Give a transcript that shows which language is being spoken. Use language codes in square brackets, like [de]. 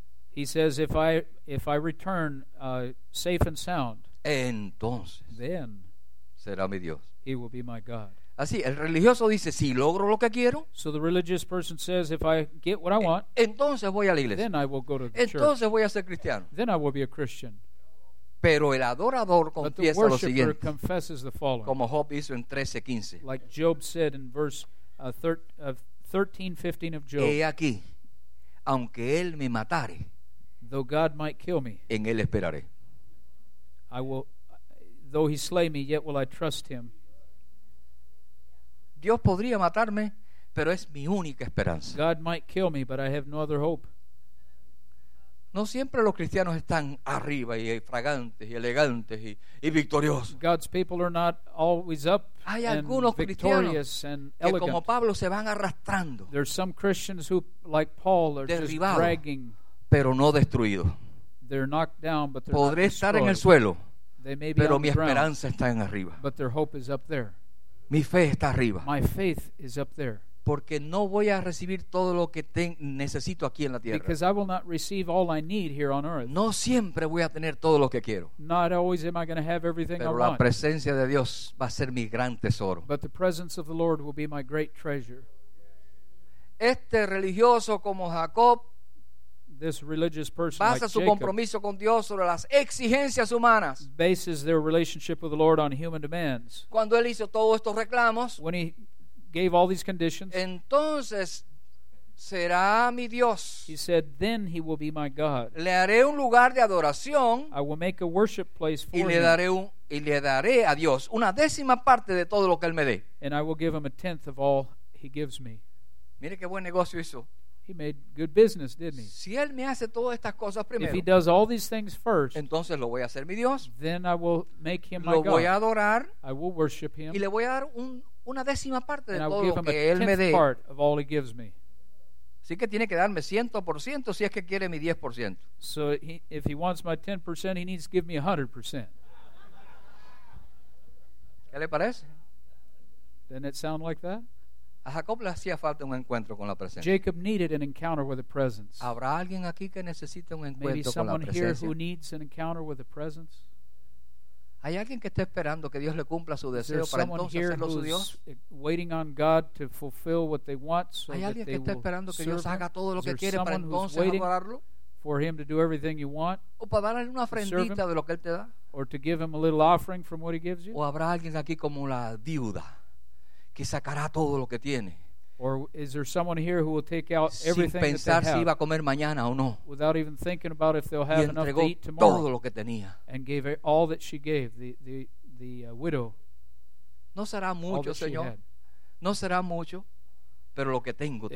[en] he says, if I return safe and sound, [es] entonces, [en] then, [es] será mi Dios. [en] He will be my God. [es] Así, el religioso dice, si logro lo que quiero, [en] so the religious person says, if I get what I want, [es] entonces voy a la iglesia, [en] then I will go to the [es] entonces [en] church, [es] voy a ser cristiano, [en] then I will be a Christian. [es] Pero el adorador confiesa lo siguiente. [en] Confesses the following, [es] como Job hizo en 13:15. [en] Like Job said in verse 13:15 of Job. [es] He aquí, aunque él me matare, [en] though God might kill me, [es] en él esperaré. [en] I will, though he slay me, yet will I trust him. [es] Dios podría matarme, pero es mi única esperanza. [en] God might kill me, but I have no other hope. [es] No siempre los cristianos están arriba y fragantes y elegantes y victoriosos. [en] God's people are not always up. [es] Hay algunos [en] and [es] cristianos [en] and [es] que como Pablo se van arrastrando. [en] There's some Christians who, like Paul, are [es] derribado, [en] just dragging. [es] Pero no destruido. [en] They're knocked down, but they're [es] podré [en] not [es] estar en el suelo. [en] They may [es] pero mi [en] ground, [es] esperanza está en arriba. [en] But their hope is up there. [es] Mi fe está arriba. [en] My faith is up there. [es] Porque no voy a recibir todo lo que necesito aquí en la tierra. [en] Because I will not receive all I need here on earth. [es] No siempre voy a tener todo lo que quiero. [en] Not always am I going to have everything [es] pero [en] I want. [es] Pero la presencia de Dios va a ser mi gran tesoro. [en] But the presence of the Lord will be my great treasure. [es] Este religioso como Jacob, [en] this religious person [es] basa [en] like [es] su compromiso [en] Jacob, [es] con Dios sobre las exigencias humanas. [en] Bases their relationship with the Lord on human demands. [es] Cuando él hizo todos estos reclamos, [en] when he gave all these conditions, [es] entonces será mi Dios. [en] He said, then he will be my God. [es] Le haré un lugar de adoración. [en] I will make a worship place for [es] y le daré un, [en] him. [es] Y le daré a Dios una décima parte de todo lo que él me dé. [en] And I will give him a tenth of all he gives me. [es] Mire qué buen negocio hizo. [en] He made good business, didn't he? [es] Si él me hace todas estas cosas primero, [en] if he does all these things first, [es] entonces lo voy a hacer mi Dios. [en] Then I will make him [es] lo [en] my God. [es] Lo voy a adorar. [en] I will worship him. [es] Y le voy a dar una décima parte de todo lo que él me dé. [en] Part of all he gives me. [es] Así que tiene que darme 100% si es que quiere mi 10%. [en] So he, if he wants my 10%, he needs to give me 100%. [es] ¿Qué le parece? [en] Doesn't it sound like that? [es] A Jacob le hacía falta un encuentro con la presencia. [en] Jacob needed an encounter with the presence. [es] ¿Habrá alguien aquí que necesite un encuentro [en] maybe [es] con la presencia? [en] Maybe someone here who needs an encounter with the presence. [es] ¿Hay alguien que esté esperando que Dios le cumpla su deseo para entonces hacerlo su Dios? [en] Waiting on God to fulfill what they want so [es] ¿Hay alguien [en] that they [es] que esté esperando que Dios [en] him? [es] Haga todo lo que quiere para entonces adorarlo? [en] For him to do everything you want, [es] o para darle una ofrendita de lo que él te da? [en] Or to give him a little offering from what he gives you? [es] ¿O habrá alguien aquí como la viuda que sacará todo lo que tiene? [en] Or is there someone here who will take out everything [es] sin pensar [en] that they have [es] si iba a comer mañana o no? [en] Without even thinking about if they'll have enough to eat tomorrow? [es] Todo lo que tenía. [en] And gave her all that she gave, the widow. [es] No será mucho, Señor. No será mucho, pero lo que tengo te